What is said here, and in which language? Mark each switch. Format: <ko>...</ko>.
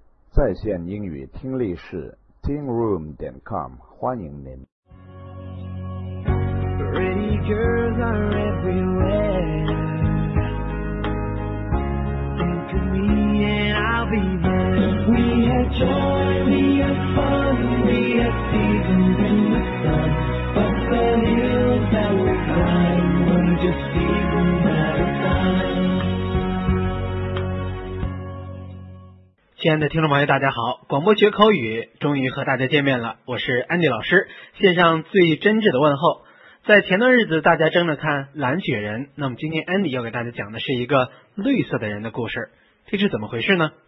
<zh>在线英语听力室 ,teamroom.com, 欢迎您。</zh> <en>Pretty girls are everywhere. Think of me and I'll be there. We had joy, we had fun, we had seasons in the sun. But the hills that we climbed were just seasons at a time.</en> <zh>亲爱的听众朋友大家好，广播学口语终于和大家见面了，我是安迪老师，献上最真挚的问候。在前段日子大家争着看蓝雪人，那么今天安迪要给大家讲的是一个绿色的人的故事，这是怎么回事呢？</zh>